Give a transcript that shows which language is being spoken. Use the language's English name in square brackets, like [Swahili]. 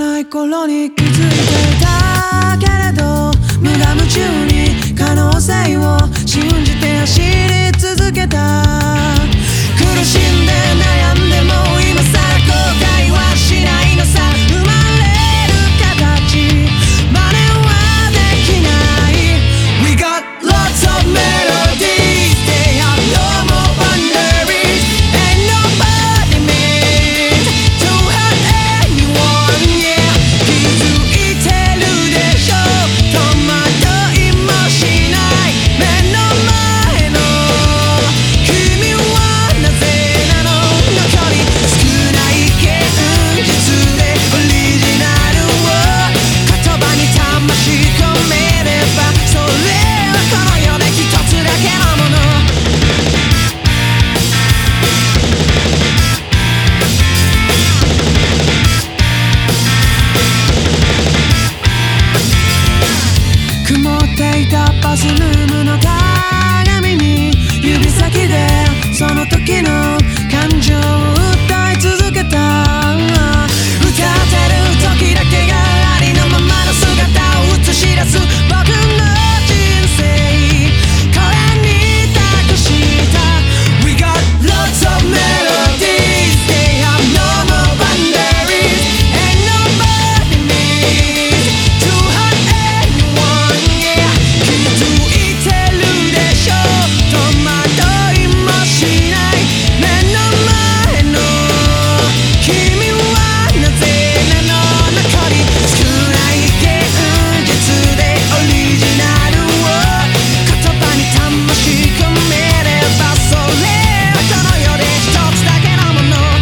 [Japanese] ことに気づいてたけれど、無我夢中に可能性を信じて走り続けた。苦しんで悩んでも今さら後悔はしないのさ。生まれる形真似はできない。 [English] We got lots of melodies, they have no more boundaries, ain't nobody meant to hurt anyone, yeah. [Japanese] 気づいてるでしょ、戸惑いもしない。目の前の君はなぜなの。残り少ない現実でオリジナルを言葉に魂込めれば、それはこの世で一つだけのもの。曇っていたバスルームの鏡に指先でその時の感情を訴え続けた。歌ってる時だけがありのままの姿を映し出す僕の人生、これに託した。 [English] We got lots of melodies, they have no more boundaries, ain't nobody needs to hurt anyone, yeah. [Japanese] 気づいてるでしょ、戸惑いもしない。目の前の君はなぜなの。残り少ない現実でオリジナルを言葉に魂込めれば、それはこの世で一つだけのもの。